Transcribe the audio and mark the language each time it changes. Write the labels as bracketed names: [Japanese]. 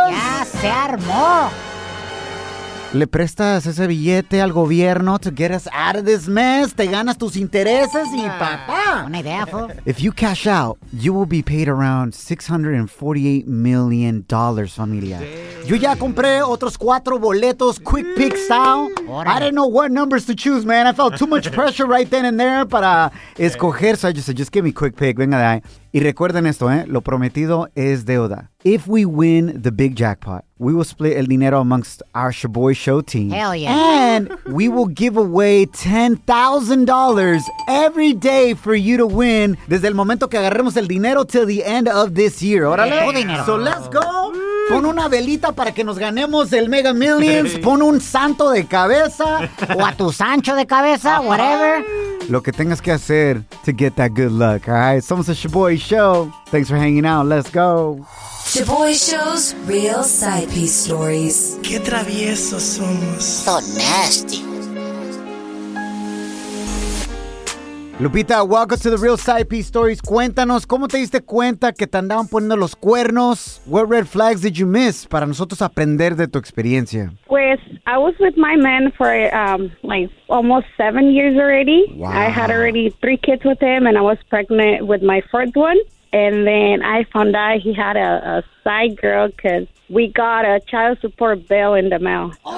[Spanish] Ya se armó. Le prestas ese billete al gobierno [English] to get us out of this mess. [Spanish] Te ganas tus intereses y papá. Una idea, fo. [English] If you cash out, you will be paid around $648 million, familia. Damn. [Spanish] Yo ya compré otros cuatro boletos, [English] quick pick style. [Spanish] Ora. [English] I didn't know what numbers to choose, man. I felt too much pressure right then and there [Spanish] para escoger. [English] So I just said, just give me quick pick. [Spanish] Venga de ahí. Y recuerden esto, lo prometido es deuda. [English] If we win the big jackpot, we will split [Spanish] el dinero [English] amongst our Shaboy Show team. Hell yeah. And we will give away $10,000 every day for you to win [Spanish] desde el momento que agarremos el dinero [English] till the end of this year. ¡Órale! Yeah. So let's go. [Spanish] Pon una velita para que nos ganemos el Mega Millions. Pon un santo de cabeza. O a tu Sancho de cabeza, whatever. Lo que tengas que hacer [English] to get that good luck, all right? [Spanish] Somos [English] the Shaboy Show. Thanks for hanging out. Let's go. Shaboy Show's real side piece stories. [Spanish] Qué traviesos somos. [English] So nasty. Lupita, welcome to the Real Side Piece Stories. [Spanish] Cuéntanos, ¿cómo te diste cuenta que te andaban poniendo los cuernos? [English] What red flags did you miss? [Spanish] Para nosotros aprender de tu experiencia. [English] Pues, I was with my man for almost 7 years already. Wow. I had already 3 kids with him and I was pregnant with my 4th one. And then I found out he had a side girl because we got a child support bill in the mail.